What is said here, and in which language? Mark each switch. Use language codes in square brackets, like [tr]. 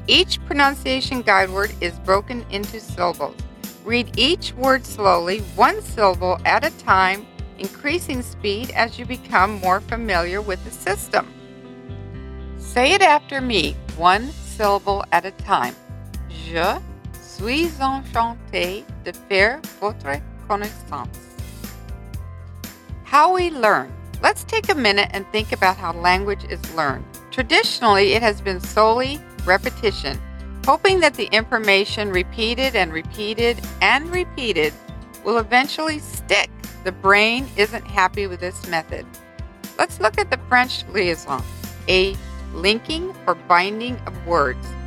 [en] Each pronunciation guide word is broken into syllables. Read each word slowly, 1 syllable at a time, increasing speed as you become more familiar with the system. Say it after me, 1 syllable at a time. [fr] Je suis enchanté de faire votre connaissance. [en] How we learn. Let's take a minute and think about how language is learned. Traditionally, it has been solely repetition, hoping that the information repeated and repeated and repeated will eventually stick. The brain isn't happy with this method. Let's look at the French liaison, a linking or binding of words.